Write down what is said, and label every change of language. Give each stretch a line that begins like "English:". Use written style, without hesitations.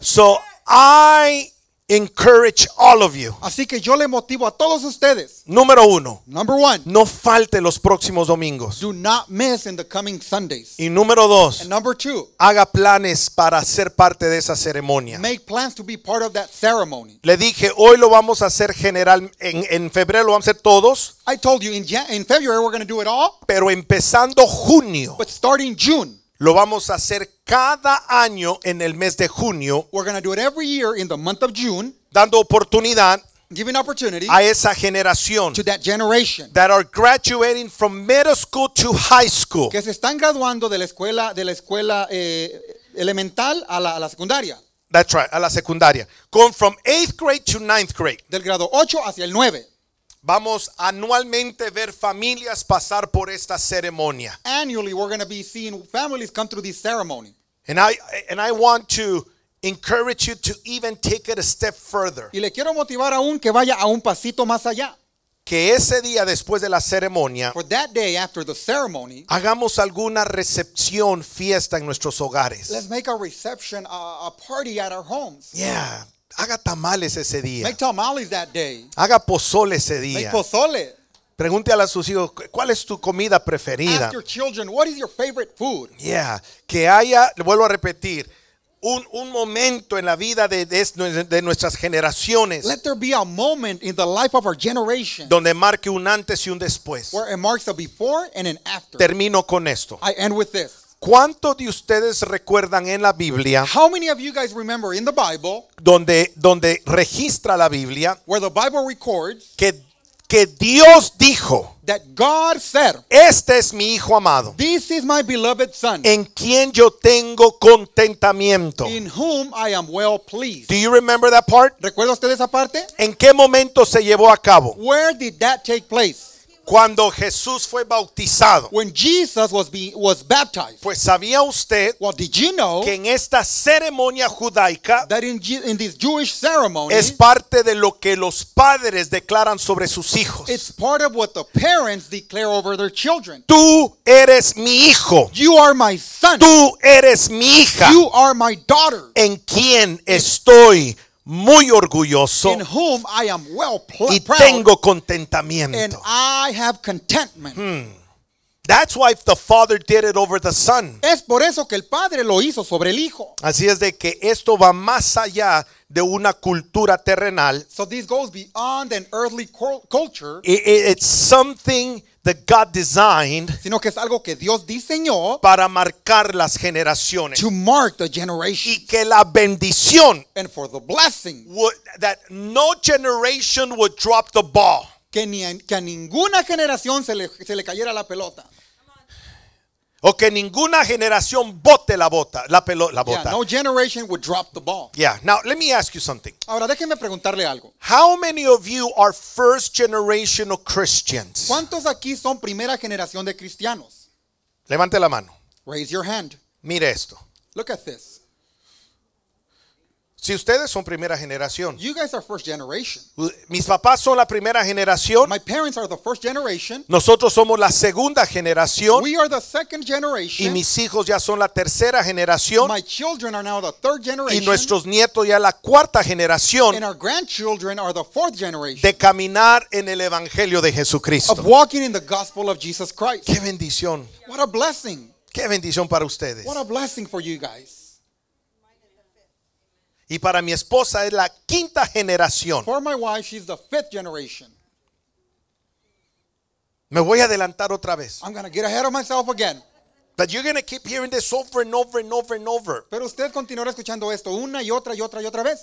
English: So I encourage all of you.
Spanish: Así que yo le motivo a todos ustedes. Número uno.
English: Number one.
Spanish: No falte los próximos domingos.
English: Do not miss in the coming Sundays.
Spanish: Y número dos.
English: And number two.
Spanish: Haga planes para ser parte de esa ceremonia.
English: Make plans to be part of that ceremony.
Spanish: Le dije, hoy lo vamos a hacer general. En febrero lo vamos a hacer todos.
English: I told you in February we're going to do it all.
Spanish: Pero empezando junio.
English: But starting June.
Spanish: Lo vamos a hacer cada año en el mes de junio.
English: We're going to do it every year in the month of June.
Spanish: Dando oportunidad.
English: Giving opportunity.
Spanish: A esa generación.
English: To that generation. That are graduating from middle school to high school.
Spanish: Que se están graduando de la escuela elemental a la secundaria.
English: That's right,
Spanish: a la secundaria.
English: Going from 8th grade to 9th grade.
Spanish: Del grado 8 hacia el 9. Vamos anualmente ver familias pasar por esta ceremonia.
English: Annually, we're going to be seeing families come through this ceremony. And I want to encourage you to even take it a step further.
Spanish: Y le quiero motivar aún que vaya a un pasito más allá. Que ese día después de la ceremonia,
English: for that day after the ceremony,
Spanish: hagamos alguna recepción, fiesta en nuestros hogares.
English: Let's make a reception, a party at our homes. Yeah.
Spanish: Haga tamales ese día.
English: Make tamales that day.
Spanish: Haga pozole ese día.
English: Make pozole.
Spanish: Pregunte a sus hijos, ¿cuál es tu comida preferida?
English: Ask your children, what is your favorite food? Yeah.
Spanish: Que haya, vuelvo a repetir, un momento en la vida de nuestras generaciones.
English: Let there be a moment in the life of our generation.
Spanish: Donde marque un antes y un después.
English: Where it marks a before and an after.
Spanish: Termino con esto.
English: I end with this.
Spanish: ¿Cuántos de ustedes recuerdan en la Biblia?
English: How many of you guys remember in the Bible?
Spanish: Donde registra la Biblia.
English: Where the Bible records.
Spanish: Que Dios dijo.
English: That God said.
Spanish: Este es mi hijo amado.
English: This is my beloved son.
Spanish: En quien yo tengo contentamiento.
English: In whom I am well pleased. Do you remember that part?
Spanish: ¿Recuerda usted esa parte? ¿En qué momento se llevó a cabo?
English: Where did that take place?
Spanish: Cuando Jesús fue bautizado.
English: When Jesus was baptized.
Spanish: Pues sabía usted.
English: Well, did you know.
Spanish: Que en esta ceremonia judaica.
English: That in this Jewish ceremony.
Spanish: Es parte de lo que los padres declaran sobre sus hijos.
English: It's part of what the parents declare over their children.
Spanish: Tú eres mi hijo.
English: You are my son.
Spanish: Tú eres mi hija.
English: You are my daughter.
Spanish: En quien estoy muy orgulloso.
English: In whom I am well proud.
Spanish: Y tengo contentamiento.
English: And I have contentment. That's why the father did it over the son.
Spanish: Es por eso que el padre lo hizo sobre el hijo. Así es de que esto va más allá de una cultura terrenal.
English: So this goes beyond an earthly culture. It's something that God designed,
Spanish: sino que es algo que Dios diseñó, para marcar las generaciones,
English: to mark the generations,
Spanish: y que la bendición,
English: and for the blessing, that no generation would drop the ball,
Spanish: que ni a, que a ninguna generación se le cayera la pelota. O que ninguna generación bote la bota, la bota.
English: Yeah, no generation would drop the ball. Yeah. Now let me ask you something.
Spanish: Ahora déjeme preguntarle algo.
English: How many of you are first generation of Christians?
Spanish: ¿Cuántos aquí son primera generación de cristianos? Levante la mano.
English: Raise your hand.
Spanish: Mire esto.
English: Look at this.
Spanish: Si ustedes son primera generación.
English: You guys are first generation.
Spanish: Mis papás son la primera generación.
English: My parents are the first generation.
Spanish: Nosotros somos la segunda generación.
English: We are the second generation.
Spanish: Y mis hijos ya son la tercera generación.
English: My children are now the third generation.
Spanish: Y nuestros nietos ya la cuarta generación.
English: And our grandchildren are the fourth generation.
Spanish: De caminar en el evangelio de Jesucristo.
English: Of walking in the gospel of Jesus Christ.
Spanish: Qué bendición.
English: What a blessing.
Spanish: Qué bendición para ustedes.
English: What a blessing for you guys.
Spanish: Y para mi esposa es la quinta generación.
English: For my wife, she's the fifth generation.
Spanish: Me voy a adelantar otra vez.
English: I'm going to get ahead of myself again. But you're going to keep hearing this over and over and over and over.
Spanish: Pero usted continuará escuchando esto una y otra y otra y otra vez.